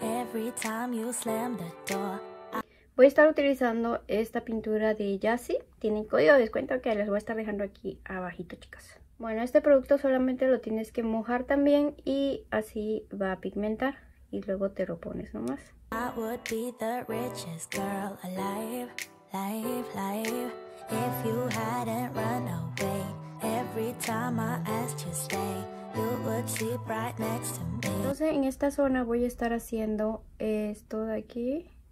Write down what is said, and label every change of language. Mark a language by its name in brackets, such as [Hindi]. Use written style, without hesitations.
[Spanish] Voy a estar utilizando esta pintura de Yassi. Tiene código de descuento que les voy a estar dejando aquí abajito, chicas. Bueno, este producto solamente lo tienes que mojar también y así va a pigmentar. Y luego te lo pones nomás. [English] I would be the richest girl alive, life, life. If you hadn't run away, every time I asked you stay, you would sleep right next to me. [Spanish] Entonces en esta zona voy a estar haciendo esto de aquí.